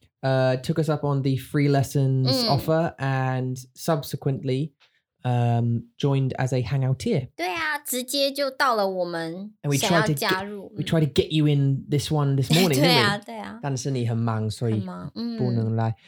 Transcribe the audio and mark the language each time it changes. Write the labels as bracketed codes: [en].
[en] Took us up on the free lessons offer and subsequently joined as a hangoutier. [zh] 对啊，直接就到了我们想要加入。 [en] And we tried to get you in this one this morning, [zh] 对啊 [en] didn't we? [zh] 对啊。但是你很忙，所以不能来。